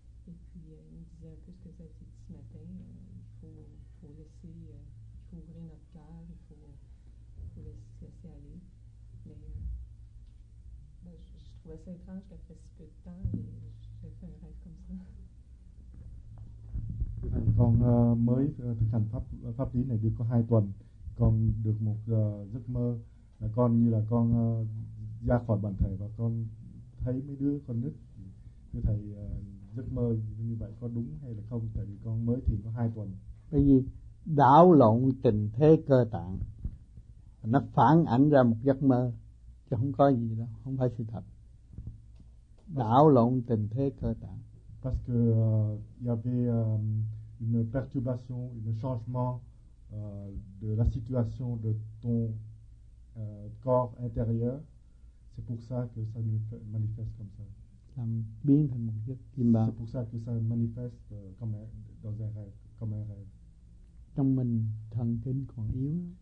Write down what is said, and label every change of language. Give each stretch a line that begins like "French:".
French: Et puis, ils me disaient un peu ce que ça a été dit ce matin. Il faut ouvrir notre cœur, il faut laisser aller. Mais je trouvais ça étrange qu'après si peu de temps, j'ai fait un rêve comme ça.
Vietnamese: Còn mới thực hành pháp lý này được có 2 tuần, con được một giấc mơ. Là con như là con ra khỏi bản thể và con thấy mấy đứa con nít. Thưa thầy, giấc mơ như vậy có đúng hay là không? Tại vì con mới thì có 2 tuần. Bởi vì đảo lộn tình thế cơ tạng, nó phản ảnh ra một giấc mơ chứ không có gì đâu, không phải sự thật. Đảo lộn tình thế cơ tạng.
French: Parce que il y avait une perturbation, un changement de la situation de ton corps intérieur, c'est pour ça que ça nous manifeste comme ça. C'est pour ça que ça manifeste comme dans un rêve, comme un rêve.
Vietnamese: Trong mình thần kinh còn yếu.